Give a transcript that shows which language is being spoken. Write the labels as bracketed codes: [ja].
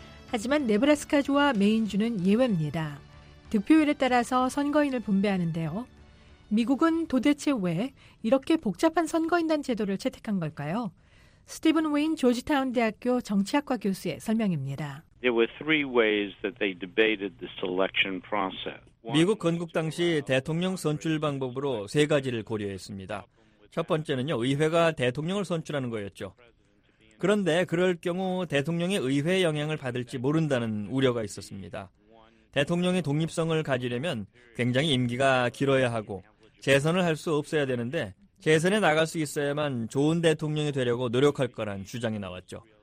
[ko] 하지만 네브라스카 주와 메인 주는 예외입니다. 득표율에 따라서 선거인을 분배하는데요. 미국은 도대체 왜 이렇게 복잡한 선거인단 제도를 채택한 걸까요? 스티븐 웨인 조지타운 대학교 정치학과 교수의 설명입니다. [en] There were three ways that they debated the selection process. [ko] 미국 건국 당시 대통령 선출 방법으로 세 가지를 고려했습니다. 첫 번째는요, 의회가 대통령을 선출하는 거였죠. 그런데 그럴 경우 대통령의 의회 영향을 받을지 모른다는 우려가 있었습니다. 대통령의 독립성을 가지려면 굉장히 임기가 길어야 하고 재선을 할 수 없어야 되는데 재선에 나갈 수 있어야만 좋은 대통령이 되려고 노력할 거란 주장이 나왔죠.